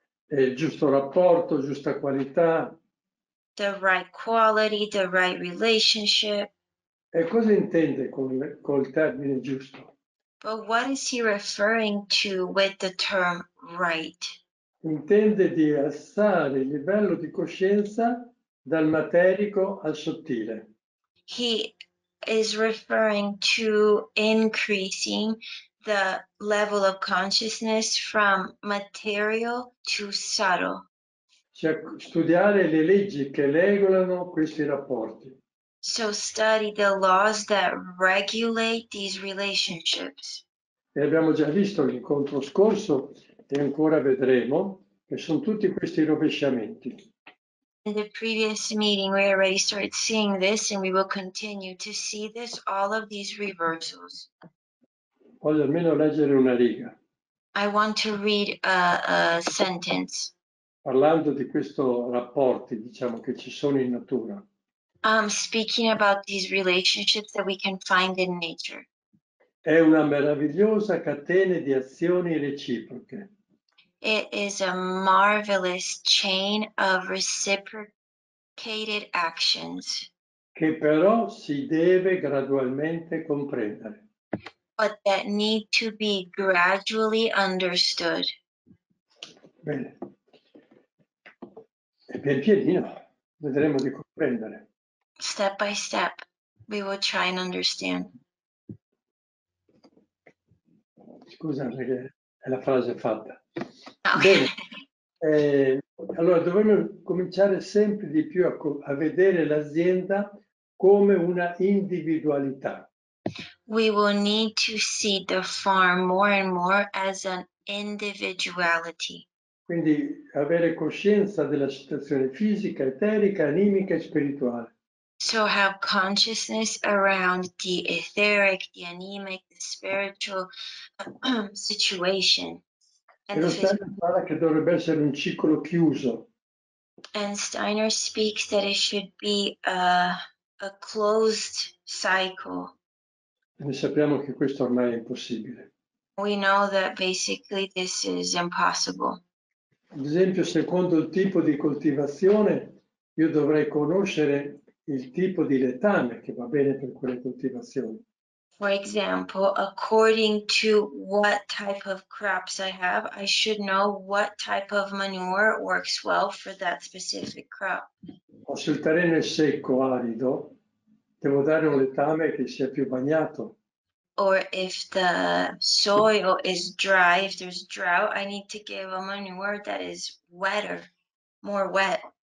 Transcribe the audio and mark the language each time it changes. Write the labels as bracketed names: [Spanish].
[Italian] E il giusto rapporto, giusta qualità. [English] The right quality, the right relationship. [Italian] E cosa intende col termine giusto? [English] But what is he referring to with the term right? [Italian] Intende di alzare il livello di coscienza dal materico al sottile. [English] He is referring to increasing the level of consciousness from material to subtle. [Italian] Cioè studiare le leggi che regolano questi rapporti. [English] So study the laws that regulate these relationships. [Italian] E abbiamo già visto l'incontro scorso e ancora vedremo che sono tutti questi rovesciamenti. [English] In the previous meeting, we already started seeing this, and we will continue to see this, all of these reversals. [Italian] Voglio almeno leggere una riga. [English] I want to read a sentence. [Italian] Parlando di questo rapporti, diciamo, che ci sono in natura. [English] Speaking about these relationships that we can find in nature. [Italian] È una meravigliosa catena di azioni reciproche. [English] It is a marvelous chain of reciprocated actions. [Italian] Che però si deve gradualmente comprendere. [English] But that need to be gradually understood. [Italian] Bene. E pian pianino vedremo di comprendere. [English] Step by step, we will try and understand. [Italian] Scusa, perché è la frase fatta. [English] Okay. [Italian] Bene. Allora dovremmo cominciare sempre di più a vedere l'azienda come una individualità. [English] We will need to see the farm more and more as an individuality. [Italian] Quindi avere coscienza della situazione fisica, eterica, animica e spirituale. [English] So have consciousness around the etheric, the animic, the spiritual situation. [Italian] And Steiner parla che dovrebbe essere un ciclo chiuso. [English] And Steiner speaks that it should be a closed cycle. [Italian] E sappiamo che questo ormai è impossibile. [English] We know that basically this is impossible. [Italian] Ad esempio, secondo il tipo di coltivazione, io dovrei conoscere il tipo di letame che va bene per quelle coltivazioni. [English] For example, according to what type of crops I have, I should know what type of manure works well for that specific crop. [Italian] O se il terreno è secco, arido, devo dare un letame che sia più bagnato. [English] Or if the soil is dry, if there's drought, I need to give a manure that is wetter, more wet.